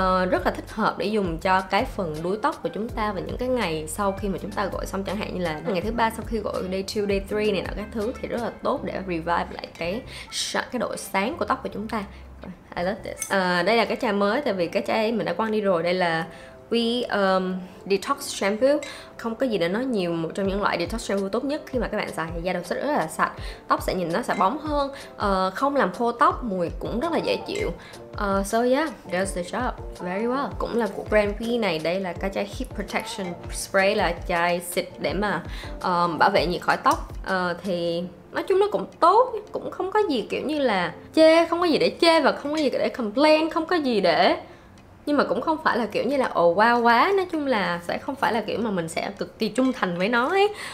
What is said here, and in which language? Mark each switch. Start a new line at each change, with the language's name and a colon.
Vietnamese: Rất là thích hợp để dùng cho cái phần đuối tóc của chúng ta, và những cái ngày sau khi mà chúng ta gội xong, chẳng hạn như là ngày thứ 3 sau khi gội, day 2, day 3 này nọ các thứ, thì rất là tốt để revive lại cái độ sáng của tóc của chúng ta.
English: I love this.
Vietnamese: Đây là cái chai mới, tại vì cái chai mình đã quăng đi rồi. Đây là We detox shampoo. Không có gì để nói nhiều, một trong những loại detox shampoo tốt nhất khi mà các bạn xài thì da đầu sẽ rất là sạch, tóc sẽ nhìn nó sẽ bóng hơn, không làm khô tóc, mùi cũng rất là dễ chịu.
English: So yeah, does the job very well.
Vietnamese: Cũng là của brand We này, đây là cái chai Heat Protection Spray, là chai xịt để mà bảo vệ nhiệt khỏi tóc. Thì nói chung nó cũng tốt, cũng không có gì kiểu như là chê, không có gì để chê và không có gì để complain, không có gì để... Nhưng mà cũng không phải là kiểu như là ồ wow quá. Nói chung là sẽ không phải là kiểu mà mình sẽ cực kỳ trung thành với nó ấy.